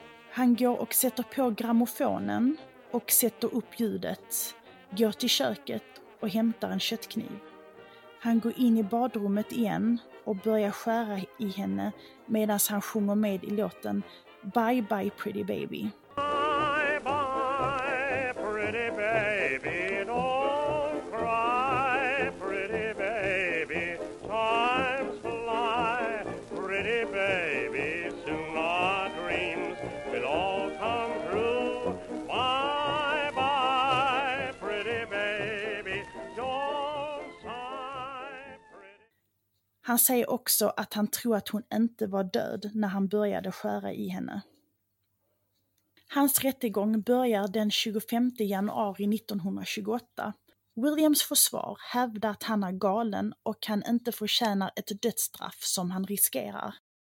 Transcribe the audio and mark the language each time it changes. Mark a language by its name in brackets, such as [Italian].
[Swedish] Han går och sätter på grammofonen och sätter upp ljudet, går till köket och hämtar en köttkniv. Han går in i badrummet igen och börjar skära i henne medan han sjunger med i låten Bye Bye Pretty Baby. [English] Bye bye pretty baby, don't cry pretty baby, times fly pretty baby, soon our dreams will all come true. Bye bye pretty baby, don't sigh pretty. [Swedish] Han säger också att han tror att hon inte var död när han började skära i henne. Hans rättegång börjar den 25 januari 1928. Williams försvar hävdar att han är galen och kan inte förtjäna ett dödsstraff som han riskerar.